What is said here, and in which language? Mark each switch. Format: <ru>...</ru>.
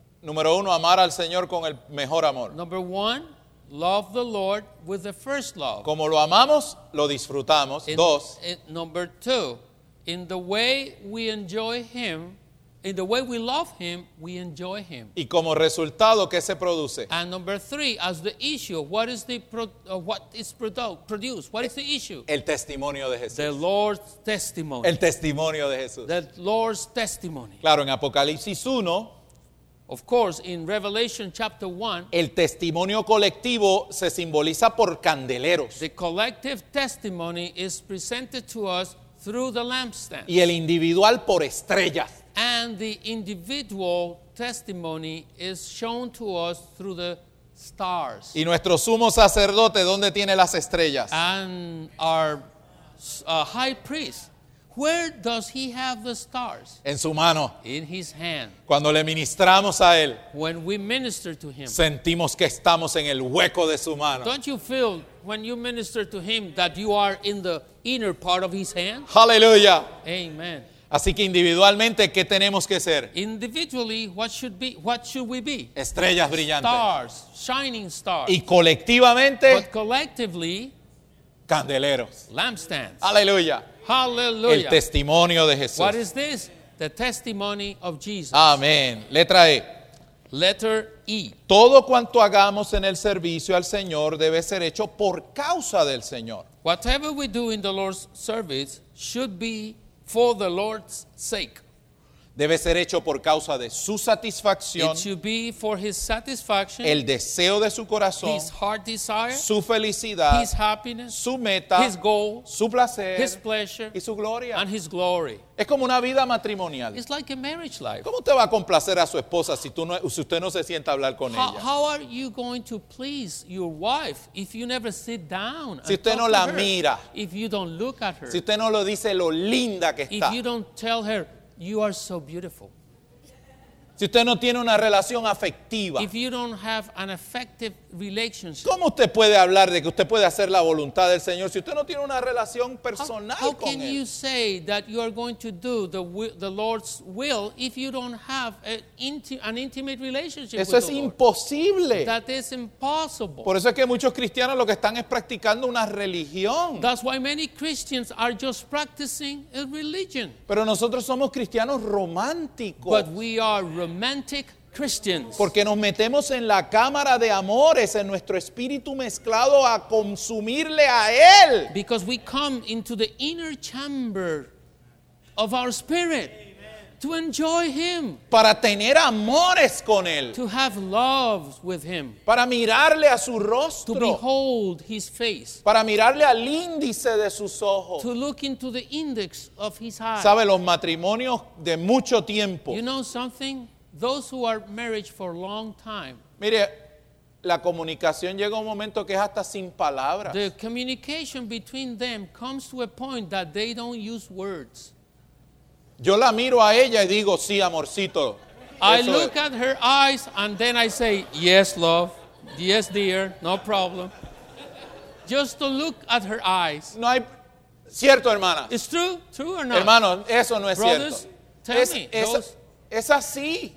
<es>Número uno, amar al Señor con el mejor amor.</es> <en>Number one, love the Lord with the first love.</en> <es>Como lo amamos, lo disfrutamos. Dos.</es> <en>Number two, in the way we enjoy Him. In the way we love Him, we enjoy Him.</en> <es>Y como resultado, ¿qué se produce?</es> <en>And number three, as the issue, what is the produced? What is the issue?</en> <es>El testimonio de Jesús.</es> <en>The Lord's testimony.</en> <es>El testimonio de Jesús.</es> <en>The Lord's testimony.</en> <es>Claro, en Apocalipsis 1,</es> <en>of course, in Revelation chapter 1,</en> <es>el testimonio colectivo se simboliza por candeleros.</es> <en>The collective testimony is presented to us through the lampstand.</en> <es>Y el individual por estrellas.</es> <en>And the individual testimony is shown to us through the stars.</en> <es>¿Y nuestro sumo sacerdote dónde tiene las estrellas?</es> <en>And our high priest, where does he have the stars?</en> <es>En su mano.</es> <en>In his hand.</en> <es>Cuando le ministramos a él.</es> <en>When we minister to him.</en> <es>Sentimos que estamos en el hueco de su mano.</es> <en>Don't you feel when you minister to him that you are in the inner part of his hand? Hallelujah. Amen.</en> <es>Así que individualmente, ¿qué tenemos que ser?</es> <en>Individually, what should we be?</en> <es>Estrellas brillantes.</es> <en>Stars, shining stars.</en> <es>Y colectivamente,</es> <en>but collectively,</en> <es>candeleros.</es> <en>Lampstands.</en> <es>Aleluya.</es> <en>Hallelujah.</en> <es>El testimonio de Jesús.</es> <en>What is this? The testimony of Jesus.</en> <es>Amén. Letra E.</es> <en>Letter E.</en> <es>Todo cuanto hagamos en el servicio al Señor debe ser hecho por causa del Señor.</es> <en>Whatever we do in the Lord's service should be for the Lord's sake.</en> <es>Debe ser hecho por causa de su satisfacción.</es> <en>It should be for his satisfaction.</en> <es>El deseo de su corazón.</es> <en>His heart desire.</en> <es>Su felicidad.</es> <en>His happiness.</en> <es>Su meta.</es> <en>His goal.</en> <es>Su placer.</es> <en>His pleasure.</en> <es>Y su gloria.</es> <en>And his glory.</en> <es>Es como una vida matrimonial.</es> <en>It's like a marriage life.</en> <es>¿Cómo te va a complacer a su esposa si usted no se sienta a hablar con ella?</es> <en>How are you going to please your wife if you never sit down?</en> <es>Si usted no la mira.</es> <en>If you don't look at her.</en> <es>Si usted no lo dice lo linda que está.</es> <en>If you don't tell her, you are so beautiful.</en> <es>Si usted no tiene una relación afectiva.</es> <en>If you don't have an effective relationship.</en> <es>¿Cómo usted puede hablar de que usted puede hacer la voluntad del Señor si usted no tiene una relación personal</es> <en>how</en> <es>con él?</es> <en>How can you say that you are going to do the Lord's will if you don't have an intimate relationship</en> <es>eso</es> <en>with</en> <es>es</es> <en>the</en> <es>imposible.</es> <en>Lord? That is impossible.</en> <es>Por eso es que muchos cristianos lo que están es practicando una religión.</es> <en>That's why many Christians are just practicing a religion.</en> <es>Pero nosotros somos cristianos románticos.</es> <en>But we are romantic Christians.</en> <es>Porque nos metemos en la cámara de amores en nuestro espíritu mezclado a consumirle a él.</es> <en>Because we come into the inner chamber of our spirit. Amen. To enjoy him.</en> <es>Para tener amores con él.</es> <en>To have love with him.</en> <es>Para mirarle a su rostro.</es> <en>To behold his face.</en> <es>Para mirarle al índice de sus ojos.</es> <en>To look into the index of his eyes.</en> <es>¿Sabe los matrimonios de mucho tiempo?</es> <en>You know something? Those who are married for a long time.</en> <es>Mire, La comunicación llega a un momento que es hasta sin palabras. The communication between them comes to a point that they don't use words. Yo la miro a ella y digo, sí, amorcito.</es> <en>I look at her eyes and then I say, yes, love. Yes, dear, no problem. Just to look at her eyes.</en> <es>No hay... Cierto, hermana.</es> <en>It's true, true or not?</en> <es>Hermano, eso no es</es> <en>Brothers,</en> <es>cierto.</es> <en>Tell</en> <es>es,</es> <en>me,</en> <es>es,</es> <en>those...</en> <es>es así.</es>